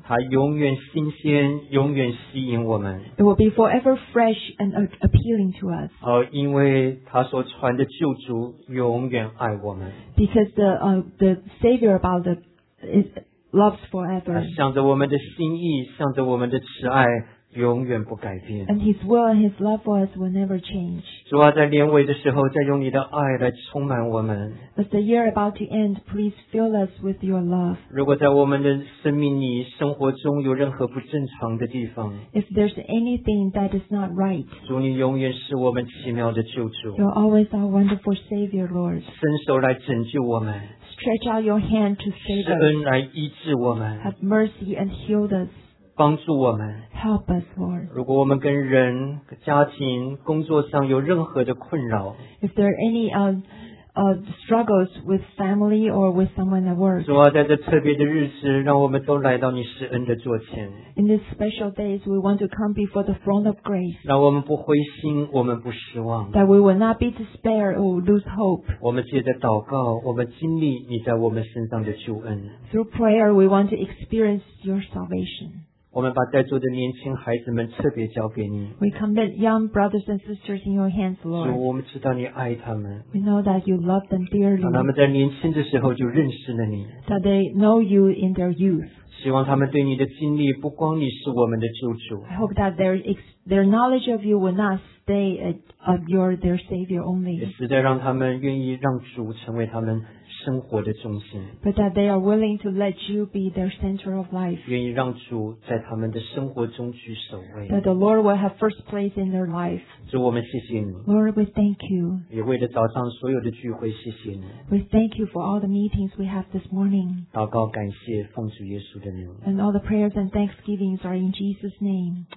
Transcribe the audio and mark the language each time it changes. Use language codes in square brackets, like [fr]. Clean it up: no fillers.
[zh] 它永远新鲜，永远吸引我们。 [en] It will be forever fresh and appealing to us. [zh] 因为它所传的救主永远爱我们。 [en] Because the Savior about the is loves forever. [zh] 向着我们的心意，向着我们的慈爱，永远不改变。 [en] And His will and His love for us will never change. [zh] 主啊，在年尾的时候，再用你的爱来充满我们。 [en] As the year about to end, please fill us with Your love. [zh] 如果在我们的生命里、生活中有任何不正常的地方 [en] ，If there's anything that is not right, [zh] 主，你永远是我们奇妙的救主。 [en] You're always our wonderful Savior, Lord. [zh] 伸手来拯救我们。 [en] Stretch out your hand to save us. [zh] 施恩来医治我们。 [en] Have mercy and heal us. [zh] 帮助我们。 [en] Help us, Lord. [zh] 如果我们跟人、家庭、工作上有任何的困扰 [en] ，If there are any struggles with family or with someone at work. [zh] 主啊，在这特别的日子，让我们都来到你施恩的座前。 [en] In these special days, we want to come before the throne of grace. [zh] 让我们不灰心，我们不失望。 [en] That we will not be despaired or lose hope. [zh] 我们借着祷告，我们经历你在我们身上的救恩。 [en] Through prayer, we want to experience your salvation. [zh] 我们把在座的年轻孩子们特别交给你。 [en] We commit young brothers and sisters in your hands, Lord. [zh] 主，我们知道你爱他们。 [en] We know that you love them dearly. [zh] 让他们在年轻的时候就认识了你。 [en] That they know you in their youth. [zh] 希望他们对你的经历，不光你是我们的救主。 [en] I hope that their knowledge of you will not stay of your their Savior only. [zh] 也实在让他们愿意让主成为他们。生活的中心 [en] But that they are willing to let you be their center of life. [zh] 愿意让主在他们的生活中居首位 [en] That the Lord will have first place in their life. [zh] 主，我们谢谢你 [en] Lord, we thank you. [zh] 也为了早上所有的聚会，谢谢你 [en] We thank you for all the meetings we have this morning. [zh] 祷告感谢，奉主耶稣的名 [en] And all the prayers and thanksgivings are in Jesus' name.